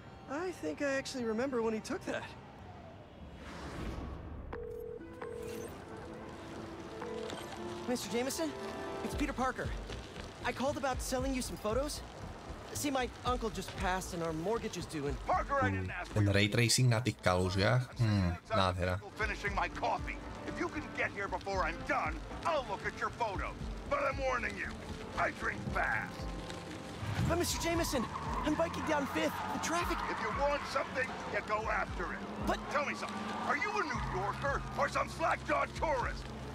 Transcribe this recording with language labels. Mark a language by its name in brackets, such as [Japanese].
[English] I think I actually remember when he took that. Mr. Jameson? It's Peter Parker. I called about selling you some photos. See, my uncle just passed and our mortgage is due and... Parker, I didn't ask for [Slovak] ray tracing na tých kalúžiach? Nádhera. [English] ...finishing my coffee. If you can get here before I'm done, I'll look at your photos. But I'm warning you, I drink fast. But Mr. Jameson, I'm biking down Fifth. The traffic... If you want something, you go after it. But... Tell me something. Are you a New Yorker or some slack-jawed tourist?